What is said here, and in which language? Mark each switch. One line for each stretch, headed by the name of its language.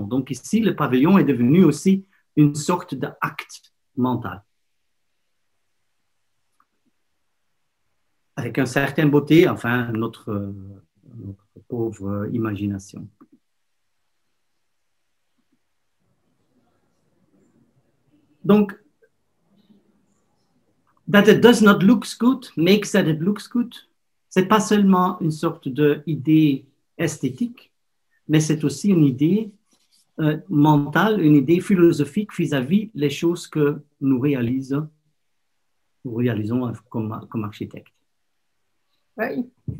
French: Donc ici, le pavillon est devenu aussi une sorte d'acte mental. Avec une certaine beauté, enfin, notre pauvre imagination. Donc,
English: that it does not look good makes that it looks good.
French: C'est pas seulement une sorte d'idée esthétique, mais c'est aussi une idée mentale, une idée philosophique vis-à-vis les choses que nous réalisons, comme architecte. Oui.